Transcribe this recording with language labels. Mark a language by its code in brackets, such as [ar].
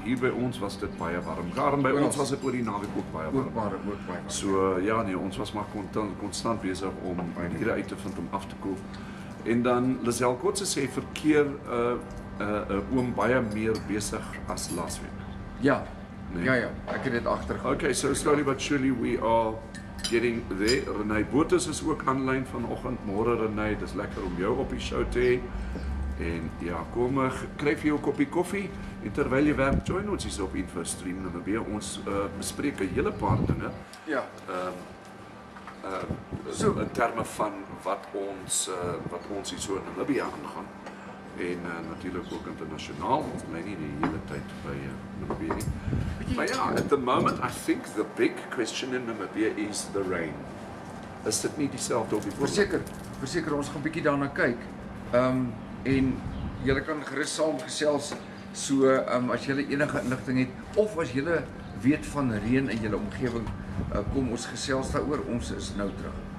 [af] Hier by ons was dit baie warm. Karen, by ons was dit oor die naweek ook baie warm. So ja nee, ons was maar konstant besig om hier uit te vind om af te koel. En dan Lisel Kotse sê verkeer oom baie meer besig as laasweek. Ja. Nee. Ja, ek het dit agtergekom. [en] Okay, so slowly but surely we are getting there. [af] Renee Botus is ook aanlyn vanoggend. Môre Renee, dis lekker om jou op die show te hê. En ja, kom kry vir jou 'n koppie koffie en terwyl jy werk, join ons hier op InfoStream Namibia. Ons bespreek 'n hele paar dinge. Ja. So in terme van wat ons hier so in Namibia aangaan. En natuurlik ook internasionaal, ons bly nie die hele tyd by Namibia nie. [en] Maar ja, at the moment I think the big question in Namibia is the rain. [af] Is dit nie dieselfde op die voorland? Verseker, ons gaan bietjie daarna kyk. En julle kan gerus saam gesels so as julle enige inligting het of as julle weet van reën in julle omgewing, kom ons gesels daaroor. Ons is nou terug.